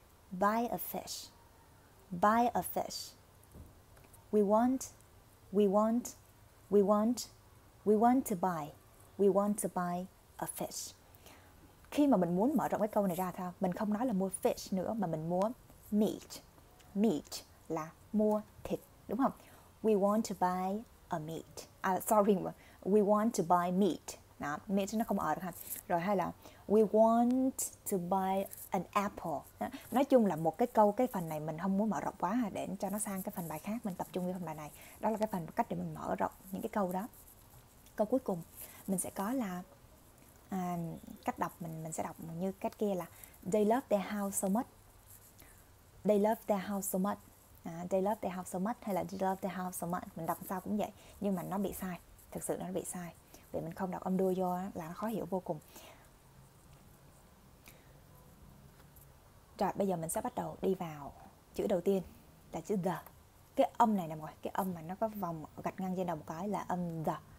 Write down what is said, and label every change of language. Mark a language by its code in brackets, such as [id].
[en] Buy a fish. Buy a fish. We want. We want. We want. We want to buy. We want to buy a fish. [vi] Khi mà mình muốn mở rộng cái câu này ra thôi, mình không nói là mua fish nữa, mà mình mua meat. Meat là mua thịt, đúng không? [en] We want to buy a meat. Sorry, we want to buy meat. [vi] Đó, meat nó không ở được ha. Rồi hay là [en] we want to buy an apple. [vi] Đó. Nói chung là một cái câu, cái phần này mình không muốn mở rộng quá để cho nó sang cái phần bài khác. Mình tập trung vào phần bài này. Đó là cái phần cách để mình mở rộng những cái câu đó. Câu cuối cùng mình sẽ có là cách đọc mình sẽ đọc như cách kia là [en] they love their house so much. They love their house so much. They love their house so much [vi] hay là [en] they love their house so much. [vi] Mình đọc sao cũng vậy nhưng mà nó bị sai. Thực sự nó bị sai. Vì mình không đọc âm đuôi vô là nó khó hiểu vô cùng. Rồi bây giờ mình sẽ bắt đầu đi vào chữ đầu tiên là chữ the. Cái âm này nè mọi người, cái âm mà nó có vòng gạch ngang trên đầu một cái là âm the.